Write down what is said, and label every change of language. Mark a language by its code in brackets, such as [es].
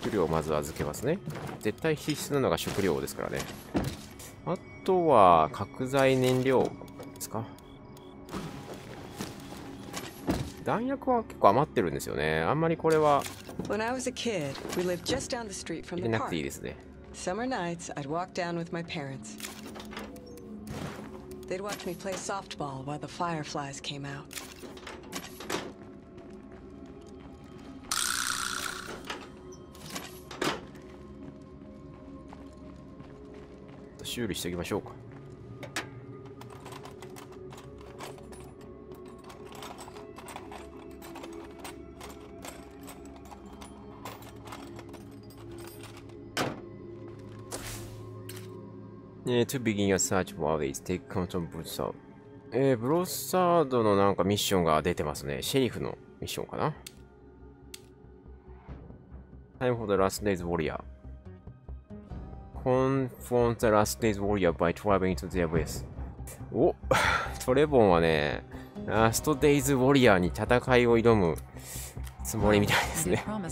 [ja] まず預けますね。絶対必須なのが食料ですからね。あとは角材燃料ですか。弾薬は結構余ってるんですよね。あんまりこれは入れなくていいですね。 [en] Summer nights, I'd walk down with my parents. They'd watch me play softball while the fireflies came out. [ja] ちょっと修理しておきましょうか。 [en] To begin your search for this, take control of Broussard. [ja] ブロッサードのなんかミッションが出てますね。シェリフのミッションかな。 [en] Time for the last day's warrior. Confront the last day's warrior by traveling to their base. [ja] お、トレボンはね、ラストデイズウォリアーに戦いを挑むつもりみたいですね。